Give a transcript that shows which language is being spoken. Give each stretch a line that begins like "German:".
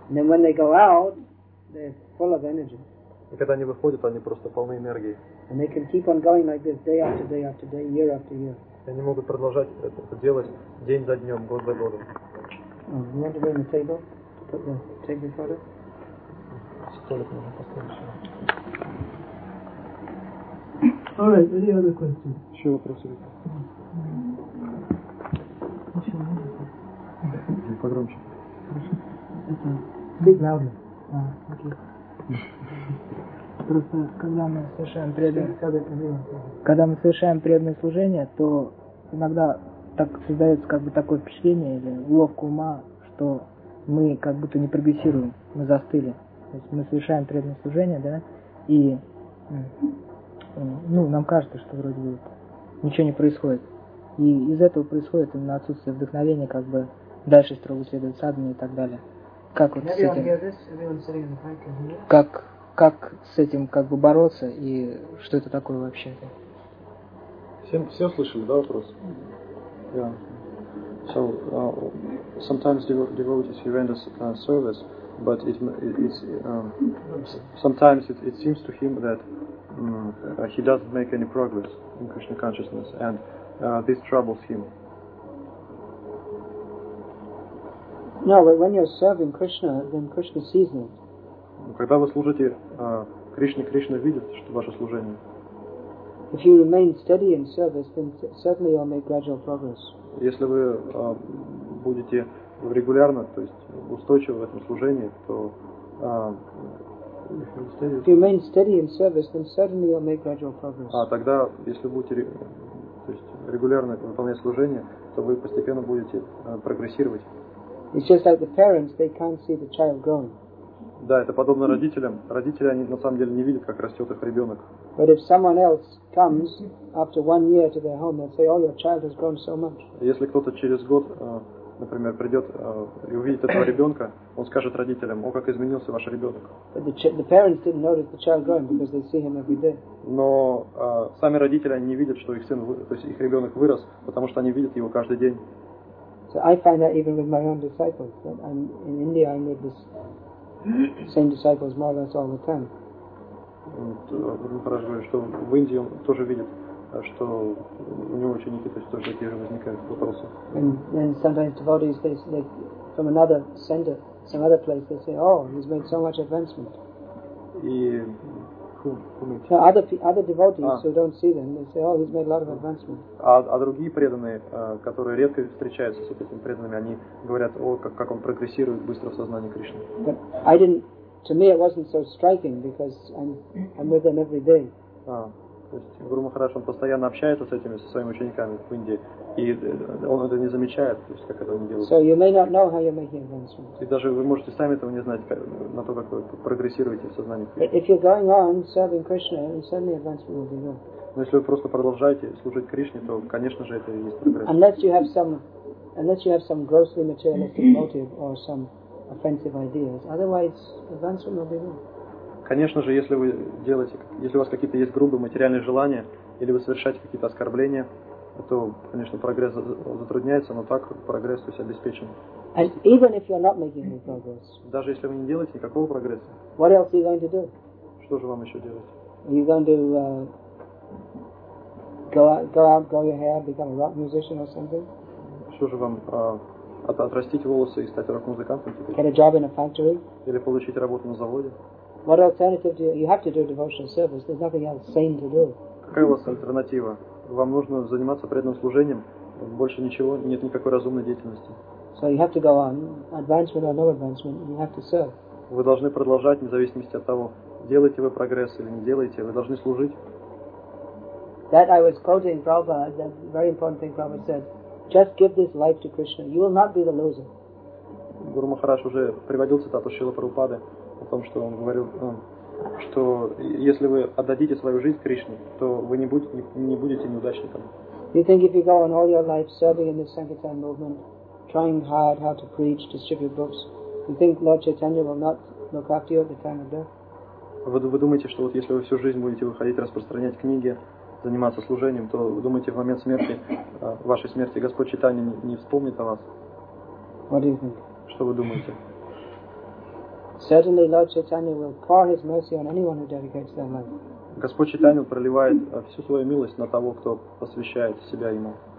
English: And when they go out, they're full of energy.
Russian: И когда они выходят, они просто полны энергии.
English: And they can keep on going like this day after day after day, year after year.
Russian: И они могут продолжать это делать день за днем, год за годом.
English: You want to bring the table? Take the photo.
Russian: Столик можно поставить еще.
English: All right, any other questions?
Russian: Еще вопросы? Еще один. Погромче. Хорошо. Это
English: big louder.
Russian: А, окей. Просто когда мы совершаем преданное служение, то иногда так создается как бы такое впечатление или уловка ума, что мы как будто не прогрессируем, мы застыли. То есть мы совершаем преданное служение, да, и ну, нам кажется, что вроде бы ничего не происходит. И из этого происходит именно отсутствие вдохновения, как бы дальше строго следовать садхане и так далее. Как вот с этим? Как с этим как бы бороться и что это такое вообще? Все слышали, да, вопрос? Yeah.
English: So sometimes devotees render service, but it seems to him that he doesn't make any progress in Krishna consciousness, and this troubles him. No, but when you're serving Krishna, then Krishna sees it.
Russian: Когда вы служите Кришне, Кришна видит, что ваше служение.
English: If you remain steady in service, then certainly you'll make gradual progress.
Russian: Если вы будете регулярно, то есть устойчивы в этом служении, то
English: if you remain steady in service, then certainly you'll make gradual progress.
Russian: А тогда, если будете то есть регулярно выполнять служение, то вы постепенно будете прогрессировать.
English: It's just like the parents, they can't see the child growing.
Russian: Да, это подобно родителям. Родители, они на самом деле не видят, как растет их ребенок.
English: But if someone else comes after 1 year to their home, they'll say, "Oh, your child has grown so much."
Russian: Если кто-то через год, например, придет и увидит этого ребенка, он скажет родителям, "О, как изменился ваш ребенок."
English: But the parents didn't notice the child growing because they see him every day.
Russian: Но сами родители не видят, что их сын, то есть их ребенок вырос, потому что они видят его каждый день.
English: So I find that even with my own disciples, that I'm in India, I meet this same disciples more or less all the time.
Russian: Что в Индии он тоже видит, что у него ученики, то есть тоже такие же возникают вопросы.
English: And sometimes devotees, they from another center, some other place, they say, "Oh, he's made so much advancement."
Russian: И
English: So other devotees who don't see them, they say, oh, he's made a lot of advancement.
Russian: А другие преданные, которые редко встречаются с этими преданными, они говорят, о, как он прогрессирует быстро в сознании Кришны.
English: But I didn't. To me, it wasn't so striking because I'm with them every day.
Russian: То есть Гуру Махарадж, он постоянно общается с этими, со своими учениками в Индии, и он это не замечает, то есть как это он делает.
English: So you may not know how you're making advancement.
Russian: И даже вы можете сами этого не знать, на то, как вы прогрессируете в сознании.
English: If you're going on serving Krishna, then certainly advancement will be good.
Russian: Но если вы просто продолжаете служить Кришне, то, конечно же, это и есть прогресс.
English: Unless you have some grossly materialistic motive or some offensive ideas, otherwise advancement will be good.
Russian: Конечно же, если вы делаете, если у вас какие-то есть грубые материальные желания, или вы совершаете какие-то оскорбления, то, конечно, прогресс затрудняется, но так прогресс, то есть, обеспечен.
English: And even if you're not making any progress,
Russian: даже если вы не делаете никакого прогресса,
English: what else are you going to do?
Russian: Что же вам еще делать?
English: Are you going to go out, grow your hair, become a rock musician or something?
Russian: Что же вам отрастить волосы и стать рок-музыкантом?
English: Get a job in a factory?
Russian: Или получить работу на заводе?
English: What alternative do you have to do devotional service? There's nothing else sane to do.
Russian: Какая у вас альтернатива? Вам нужно заниматься преданным служением. Больше ничего, нет никакой разумной деятельности.
English: So you have to go on, advancement or no advancement, you have to serve.
Russian: Вы должны продолжать, вне зависимости от того, делаете вы прогресс или не делаете, вы должны служить.
English: That I was quoting Prabhupada, that very important thing Prabhupada said. Just give this life to Krishna, you will not be the loser.
Russian: Гуру Махарадж уже приводил цитату Шрилы Прабхупады. О том, что он говорил, что если вы отдадите свою жизнь Кришне, то вы не будете неудачником.
English: You think if you go on all your life serving in this Sankirtan movement, trying hard how to preach, distribute books, you think Lord Chaitanya will not look after you at the time of death?
Russian: Вы думаете, что вот если вы всю жизнь будете выходить, распространять книги, заниматься служением, то вы думаете, в момент смерти, вашей смерти, Господь Чайтанья не вспомнит о вас?
English: What do you think?
Russian: Что вы думаете?
English: Certainly, Lord Chaitanya will pour his mercy on anyone who dedicates their life.
Russian: Господь Чайтанья проливает всю свою милость на того, кто посвящает себя ему.